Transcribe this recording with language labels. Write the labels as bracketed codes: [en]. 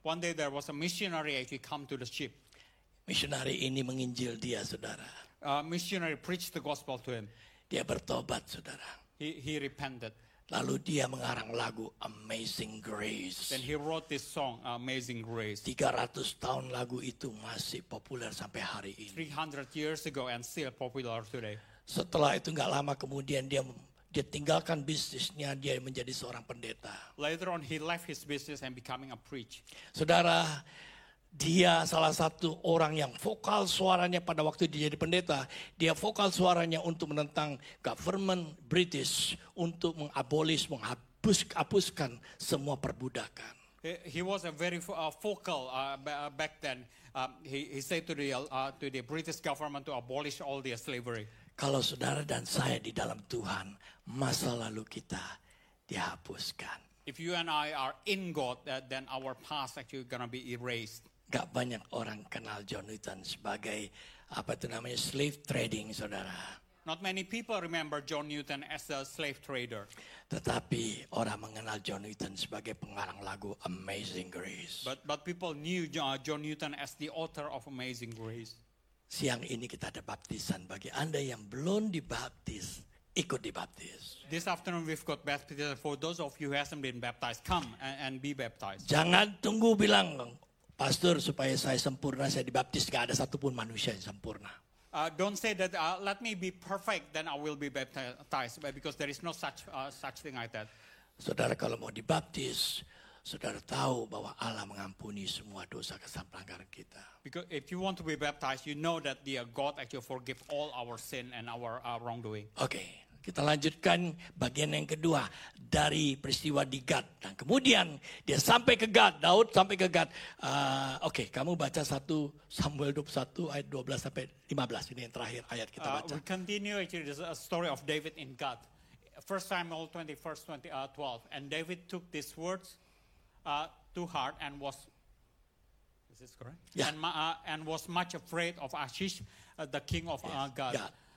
[en] One day there was a missionary actually come to the ship. [id] Missionary ini menginjil dia, saudara. [en] Missionary preached the gospel to him. [id] Dia bertobat, saudara. [en] He repented. [id] Lalu dia mengarang lagu Amazing Grace. [en] Then he wrote this song, Amazing Grace. [id] 300 tahun lagu itu masih populer sampai hari ini. [en] 300 years ago and still popular today. [id] Setelah itu enggak lama kemudian dia tinggalkan bisnisnya, dia menjadi seorang pendeta. [en] Later on he left his business and becoming a preacher. [id] Saudara, dia salah satu orang yang vokal suaranya pada waktu dia jadi pendeta. Dia vokal suaranya untuk menentang government British untuk menghapuskan semua perbudakan. [en] He was a very vocal back then. He said to the British government to abolish all the slavery. [id] Kalau saudara dan saya di dalam Tuhan, masa lalu kita dihapuskan. [en] If you and I are in God, then our past actually going to be erased. [id] Gak banyak orang kenal John Newton sebagai apa itu namanya [en] slave trading, [id] saudara. [en] Not many people remember John Newton as a slave trader. [id] Tetapi orang mengenal John Newton sebagai pengarang lagu Amazing Grace. [en] But people knew John Newton as the author of Amazing Grace. [id] Siang ini kita ada baptisan, bagi Anda yang belum dibaptis, ikut dibaptis. [en] This afternoon we've got baptism for those of you who hasn't been baptized. Come and be baptized. [id] Jangan tunggu bilang Pastor, supaya saya sempurna, saya dibaptis, gak ada satupun manusia yang sempurna. [en] Don't say that, let me be perfect, then I will be baptized, because there is no such thing like that. [id] Saudara, kalau mau dibaptis, saudara tahu bahwa Allah mengampuni semua dosa kesalahan pelanggaran kita. [en] Because if you want to be baptized, you know that the God actually forgive all our sin and our wrongdoing. Okay. [id] Kita lanjutkan bagian yang kedua dari peristiwa di Gat. Dan kemudian dia sampai ke Gat, Daud sampai ke Gat. Okay, kamu baca 1 Samuel 21 ayat 12 sampai 15. Ini yang terakhir ayat kita baca. [en] We continue actually the story of David in Gat. 1 Samuel 21, 20, 12. And David took these words to heart and was... Is this correct? Yeah. And was much afraid of Achish, the king of Gat. Yeah.